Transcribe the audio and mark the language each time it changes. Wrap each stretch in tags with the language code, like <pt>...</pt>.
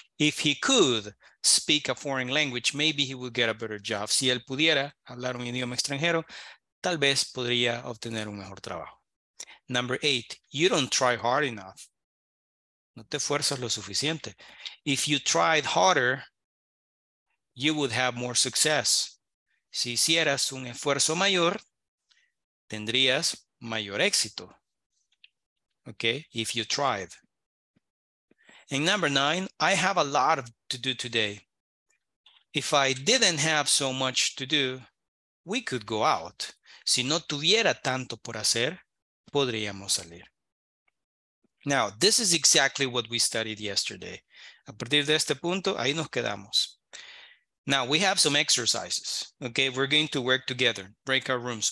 <en>If he could speak a foreign language, maybe he would get a better job.</en> <es>Si él pudiera hablar un idioma extranjero, tal vez podría obtener un mejor trabajo.</es> <en>Number eight, you don't try hard enough.</en> <es>No te esfuerzas lo suficiente.</es> <en>If you tried harder, you would have more success.</en> <es>Si hicieras un esfuerzo mayor, tendrías mayor éxito.</es> <en>Okay, if you tried. And number nine, I have a lot to do today. If I didn't have so much to do, we could go out.</en> <es>Si no tuviera tanto por hacer, podríamos salir.</es> <en>Now, this is exactly what we studied yesterday.</en> <es>A partir de este punto, ahí nos quedamos.</es> <en>Now, we have some exercises, okay? We're going to work together, break our rooms.</en>